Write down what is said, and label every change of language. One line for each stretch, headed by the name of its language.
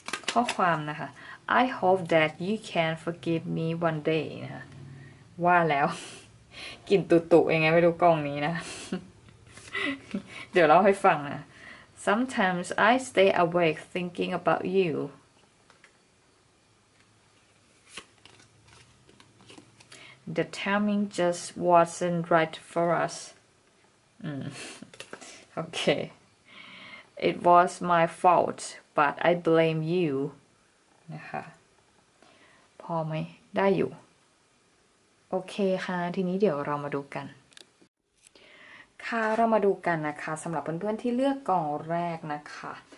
Thai: ข้อความนะคะ
English: I hope that you can forgive me one day
Thai: นะว่าแล้ว กลิ่นตุ่ยๆยังไงไม่รู้กล้องนี้นะ เดี๋ยวเล่าให้ฟังนะ
English: Sometimes I stay awake thinking about youThe timing just wasn't right for us. Okay. It was my fault, but I blame you.
Thai: นะคะพอไหมได้อยู่โอเคค่ะทีนี้เดี๋ยวเรามาดูกันค่ะเรามาดูกันนะคะสำหรับเพื่อนๆที่เลือกกล่องแรกนะคะ